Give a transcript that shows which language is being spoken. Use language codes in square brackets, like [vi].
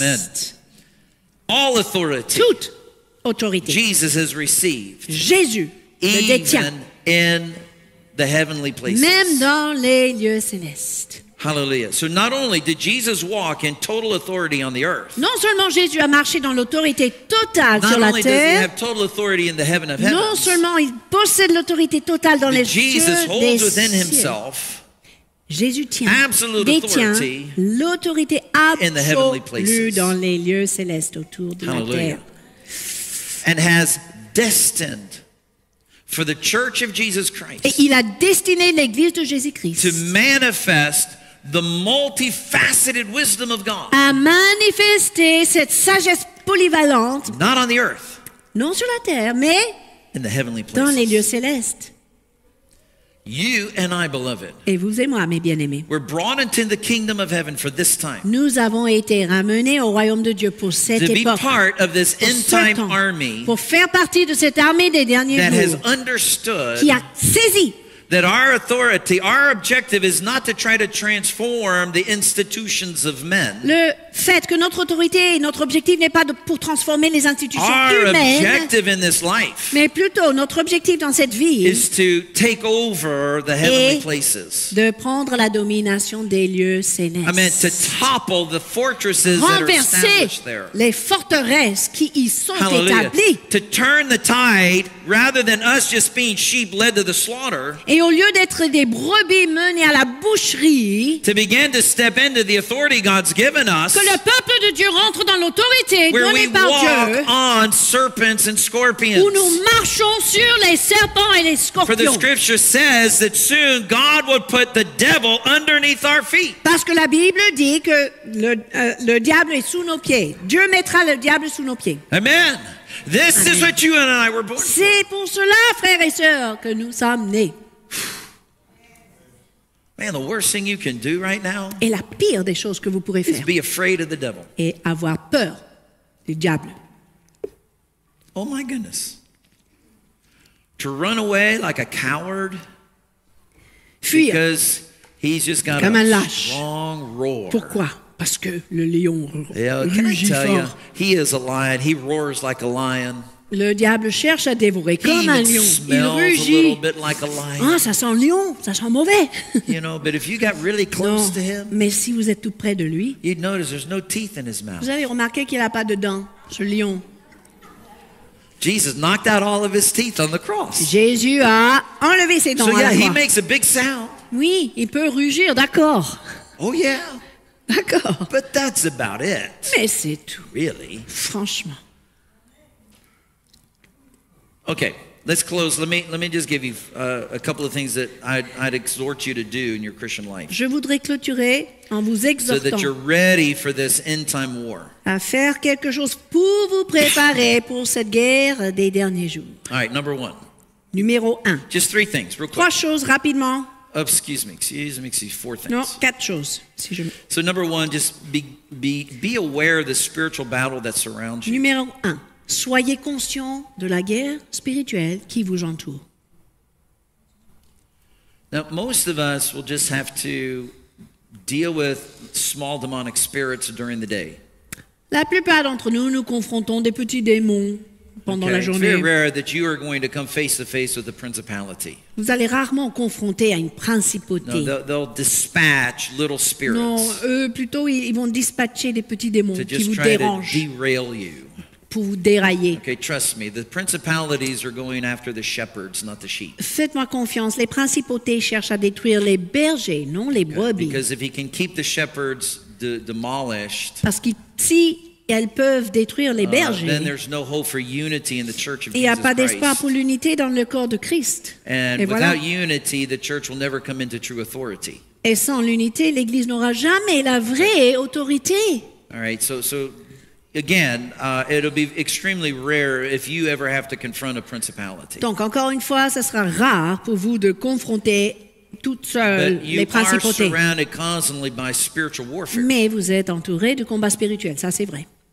[en] Amen. All authority. [fr] Toute autorité. [en] Jesus has received. [fr] Jésus le détient. [en] Even in the heavenly places. [fr] Même dans les lieux célestes. [en] Hallelujah. So not only did Jesus walk in total authority on the earth. [fr] Non seulement Jésus a marché dans l'autorité totale sur la terre. [en] Not only does he have total authority in the heaven of heavens. [fr] Non seulement il possède l'autorité totale dans les cieux. [en] Jesus holds within himself. [fr] Jésus détient l'autorité absolue dans les lieux célestes autour de la terre. [en] And has destined for the church of Jesus Christ. [fr] Et il a destiné l'église de Jésus-Christ. [en] To manifest the multifaceted wisdom of God. [fr] À manifester cette sagesse polyvalente. [en] Not on the earth. [fr] Non sur la terre, mais [en] in the heavenly places. [fr] Dans les lieux célestes. [en] You and I, beloved. [fr] Et vous et moi, mes bien-aimés. [en] We're brought into the kingdom of heaven for this time. [fr] Nous avons été ramenés au royaume de Dieu pour cette époque. [en] To be part of this end-time army. [fr] Pour faire partie de cette armée des derniers jours. [en] That has understood. [fr] Qui a saisi. [en] That our authority, our objective is not to try to transform the institutions of men. [fr] Le fait que notre autorité et notre objectif n'est pas pour transformer les institutions [en] our [fr] humaines. [en] Our objective in this life. [fr] Mais plutôt notre objectif dans cette vie [en] is to take over the heavenly places. [fr] De prendre la domination des lieux célestes. [en] I mean, to topple the fortresses [fr] renverser [en] that are established there. [fr] Les forteresses qui y sont [en] Hallelujah. [fr] Établies. [en] To turn the tide rather than us just being sheep led to the slaughter. [fr] Et au lieu d'être des brebis menées à la boucherie, [en] to begin to step into the authority God's given us, [fr] que le peuple de Dieu rentre dans l'autorité donnée par Dieu. [en] Where we walk on serpents and scorpions. [fr] Où nous marchons sur les serpents et les scorpions. [en] For the scripture says that soon God will put the devil underneath our feet. [fr] Parce que la Bible dit que le diable est sous nos pieds. Dieu mettra le diable sous nos pieds. [en] Amen. This Amen. Is what you and I were born for. [fr] C'est pour cela, frères et sœurs, que nous sommes nés. [en] Man, the worst thing you can do right now [fr] et la pire des choses que vous pourrez faire [en] is be afraid of the devil. [fr] Et avoir peur du diable. [en] Oh my goodness. To run away like a coward. [fr] Fuir. [en] Because he's just got [fr] comme [en] a [fr] un lâche. [en] Strong roar. [fr] Pourquoi? Parce que le lion rugit fort. [en] You, he is a lion. He roars like a lion. [fr] Le diable cherche à dévorer comme un lion. Il rugit. [en] Like [fr] ah, ça sent le lion. Ça sent mauvais. [en] You know, but if you got really close to him, [fr] mais si vous êtes tout près de lui, [en] you'd notice there's no teeth in his mouth. [fr] Vous avez remarqué qu'il n'a pas de dents, ce lion. [en] Jesus knocked out all of his teeth on the cross. [fr] Jésus a enlevé ses dents [en] so, yeah, [fr] à la croix. [en] He makes a big sound. [fr] Oui, il peut rugir, d'accord. [en] Oh yeah. [fr] D'accord. [en] But that's about it. [fr] Mais c'est tout. [en] Really? [fr] Franchement. [en] Okay, let's close. Let me just give you a couple of things that I'd exhort you to do in your Christian life. [fr] Je voudrais clôturer en vous exhortant. [en] So that you're ready for this end time war. [fr] À faire quelque chose pour vous préparer pour cette guerre des derniers jours. [en] All right, number one. [fr] Numéro un. [en] Just three things, real quick. [fr] Trois choses rapidement. [en] Excuse me. Four things. [fr] Non, quatre choses. Si je... [en] So number one, just be aware of the spiritual battle that surrounds you. [fr] Numéro un. Soyez conscient de la guerre spirituelle qui vous entoure. [en] Now, most of us will just have to deal with small demonic spirits during the day. [fr] La plupart d'entre nous, nous confrontons des petits démons pendant [en] okay. [fr] la journée. [en] It's very rare that you are going to come face to face with a principality. [fr] Vous allez rarement confronter à une principauté. [en] No, they'll dispatch little spirits. [fr] Non, eux, plutôt, ils vont dispatcher des petits démons [en] to just [fr] qui vous dérangent. [en] To derail you. [fr] Pour vous dérailler. [en] Okay, trust me. The principalities are going after the shepherds, not the sheep. [fr] Faites-moi confiance. Les principautés cherchent à détruire les bergers, non les brebis. [en] because if he can keep the shepherds demolished, [fr] parce que si elles peuvent détruire les bergers, [en] then there's no hope for unity in the church of Jesus Christ. [fr] Il n'y a pas d'espoir pour l'unité dans le corps de Christ. [en] And [fr] Et [en] without unity, the church will never come into true authority. [fr] Et sans l'unité, l'Église n'aura jamais la vraie autorité. [en] All right, so. Again, it'll be extremely rare if you ever have to confront a principality. [fr] Donc encore une fois, ça sera rare pour vous de confronter toutes seules les principautés. [en] But you are surrounded constantly by spiritual warfare. [fr] Mais vous êtes entouré de combats spirituels, ça c'est vrai.